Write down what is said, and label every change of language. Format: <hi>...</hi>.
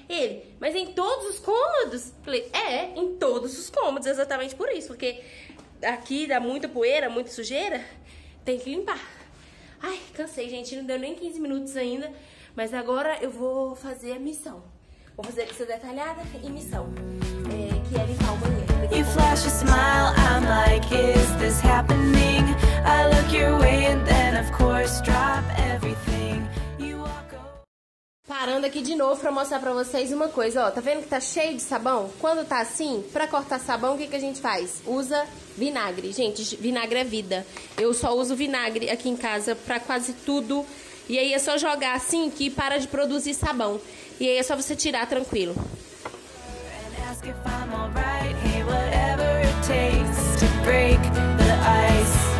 <pt>Ele: mas em todos os cômodos? Falei: é, em todos os cômodos, exatamente por isso. Porque aqui dá muita poeira, muita sujeira, tem que limpar. Ai, cansei, gente, não deu nem 15 minutos ainda. Mas agora eu vou fazer a missão. Vou fazer a lista detalhada e missão. Que é limpar o banheiro. Daqui a pouco.</pt> <en>flash a smile, I'm like, is this happening? I look your way and then of course drop everything. You walk away.</en> <pt>Parando aqui de novo pra mostrar pra vocês uma coisa, ó. Tá vendo que tá cheio de sabão? Quando tá assim, pra cortar sabão, o que que a gente faz? Usa vinagre. Gente, vinagre é vida. Eu só uso vinagre aqui em casa pra quase tudo. E aí é só jogar assim que para de produzir sabão. E aí é só você tirar tranquilo.</pt> <en>Ask if I'm all right. Hey, whatever it takes to break the ice.</en>